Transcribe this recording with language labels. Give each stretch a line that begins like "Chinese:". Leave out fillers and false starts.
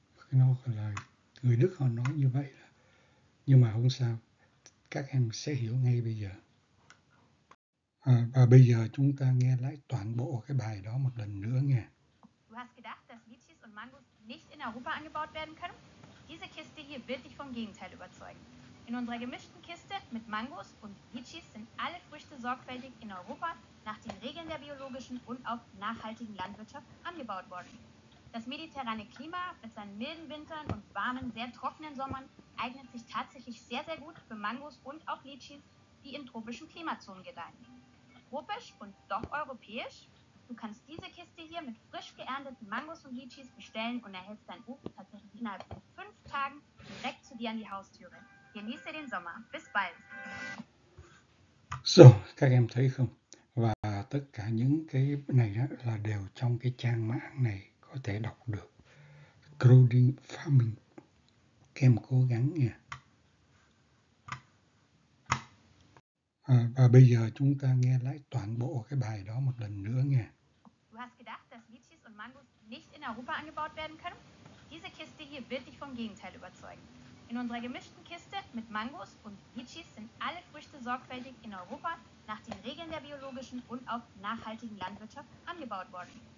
Vietnamese: Nó là người Đức họ nói như vậy. Nhưng mà không sao, các em sẽ hiểu ngay bây giờ. Và bây giờ chúng ta nghe lại toàn bộ cái bài đó một lần nữa nghe.
German: Du hast gedacht, dass Litschis und Mangos nicht in Europa angebaut werden können? Diese Kiste hier wird dich vom Gegenteil überzeugen. In In unserer gemischten Kiste mit Mangos und Litschis sind alle Früchte sorgfältig in Europa nach den Regeln der biologischen und auch nachhaltigen Landwirtschaft angebaut worden. Das mediterrane Klima mit seinen milden Wintern und warmen, sehr trockenen Sommern eignet sich tatsächlich sehr, sehr gut für Mangos und auch Litschis, die in tropischen Klimazonen gedeihen. Tropisch und doch europäisch? Du kannst diese Kiste hier mit frisch geernteten Mangos und Litschis bestellen und erhältst dein Obst tatsächlich innerhalb von 5 Tagen direkt zu dir an die Haustüre. Genieße den Sommer. Bis bald.
Vietnamese: So, các em thấy không? Và tất cả những cái này đó là đều trong cái trang mạng này có thể đọc được. Clothing Farming. Các em cố gắng nha. Và bây giờ chúng ta nghe lại toàn bộ cái bài đó một lần nữa nha.
German: Du hast gedacht, dass Litschis und Mangos nicht in Europa angebaut werden können? Diese Kiste hier wird dich vom Gegenteil überzeugen. In unserer gemischten Kiste mit Mangos und Litschis sind alle Früchte sorgfältig in Europa nach den Regeln der biologischen und auch nachhaltigen Landwirtschaft angebaut worden.